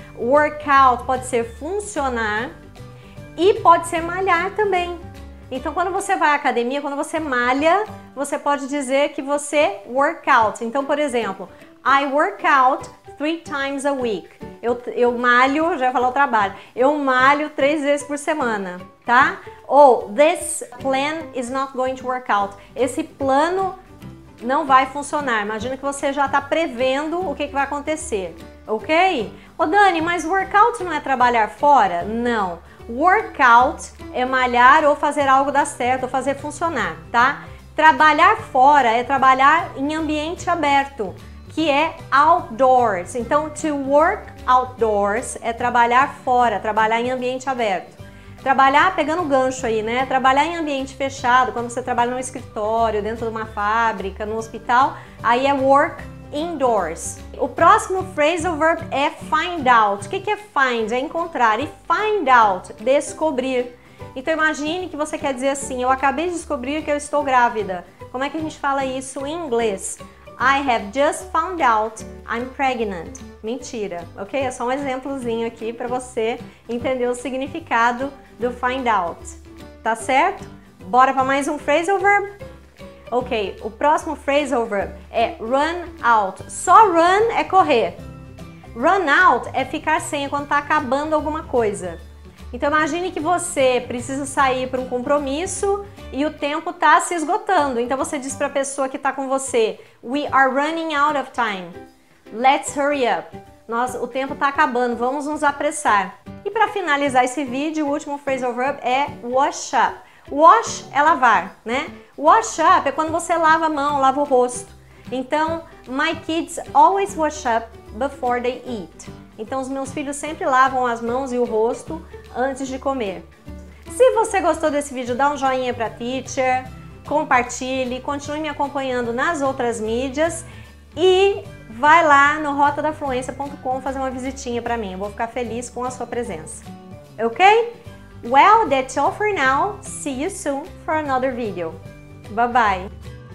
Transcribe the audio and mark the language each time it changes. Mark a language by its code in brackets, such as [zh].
[pt] Workout pode ser funcionar e pode ser malhar também. Então, quando você vai à academia, quando você malha, você pode dizer que você work out. [en] Então, por exemplo, I work out 3 times a week. [pt] Eu malho, já ia falar o trabalho, eu malho 3 vezes por semana, tá? [en] Ou this plan is not going to work out. [pt] Esse plano não vai funcionar. Imagina que você já está prevendo o que que vai acontecer, ok? Ô Dani, mas workout não é trabalhar fora? Não. Workout é malhar ou fazer algo dar certo, ou fazer funcionar, tá? Trabalhar fora é trabalhar em ambiente aberto, que é outdoors. Então, [en] to work outdoors [pt] é trabalhar fora, trabalhar em ambiente aberto. Trabalhar, pegando o gancho aí, né? Trabalhar em ambiente fechado, quando você trabalha no escritório, dentro de uma fábrica, no hospital, aí é [en] work indoors. [pt] O próximo phrasal verb é find out. O que é find? É encontrar. E find out, descobrir. Então imagine que você quer dizer assim: eu acabei de descobrir que eu estou grávida. Como é que a gente fala isso em inglês? [en] I have just found out I'm pregnant. [pt] Mentira, ok? É só um exemplozinho aqui para você entender o significado do find out. Tá certo? Bora para mais um phrasal verb? Ok, o próximo phrasal verb é run out. Só run é correr. Run out é ficar sem, é quando tá acabando alguma coisa. Então imagine que você precisa sair para um compromisso e o tempo tá se esgotando. Então você diz para a pessoa que tá com você: [en] We are running out of time. Let's hurry up. [pt] Nós, o tempo tá acabando, vamos nos apressar. E para finalizar esse vídeo, o último phrasal verb é wash up. Wash é lavar, né? Wash up é quando você lava a mão, lava o rosto. [en] Então, my kids always wash up before they eat. [pt] Então, os meus filhos sempre lavam as mãos e o rosto antes de comer. Se você gostou desse vídeo, dá um joinha pra teacher, compartilhe, continue me acompanhando nas outras mídias e vai lá no rotadafluência.com fazer uma visitinha pra mim. Eu vou ficar feliz com a sua presença. Ok? [en] Well, that's all for now. See you soon for another video. Bye bye.